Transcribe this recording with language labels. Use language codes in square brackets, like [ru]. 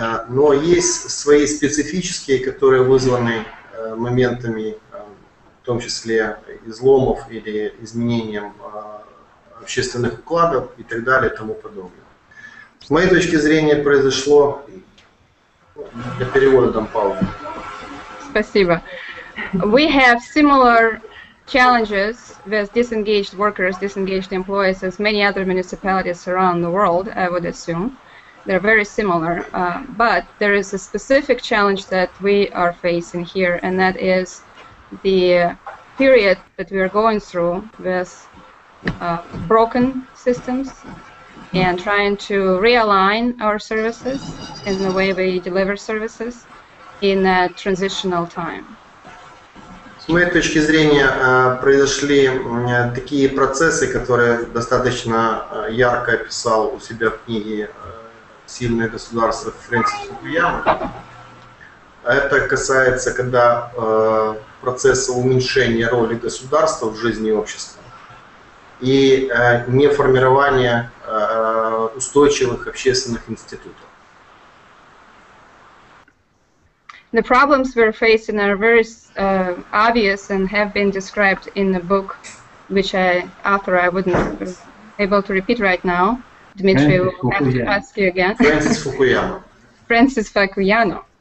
[ru] Но есть свои специфические, которые вызваны моментами, в том числе изломов или изменением общественных укладов и так далее, и тому подобное. С моей точки зрения произошло, для перевода дам паузу. Спасибо. [en] We have similar challenges with disengaged workers, disengaged employees as many other municipalities around the world, I would assume. They're very similar, but there is a specific challenge that we are facing here, and that is the period that we are going through with broken systems and trying to realign our services in the way we deliver services in a transitional time. [ru] С моей точки зрения, произошли такие процессы, которые достаточно ярко описал у себя в книге «Сильное государство» Фрэнсис Фукуяма. Это касается, когда процесса уменьшения роли государства в жизни общества и неформирования устойчивых общественных институтов. [en] The problems we're facing are very obvious and have been described in the book, which I, author I wouldn't be able to repeat right now. Dmitry, we'll have to ask you again. Francis Fukuyama.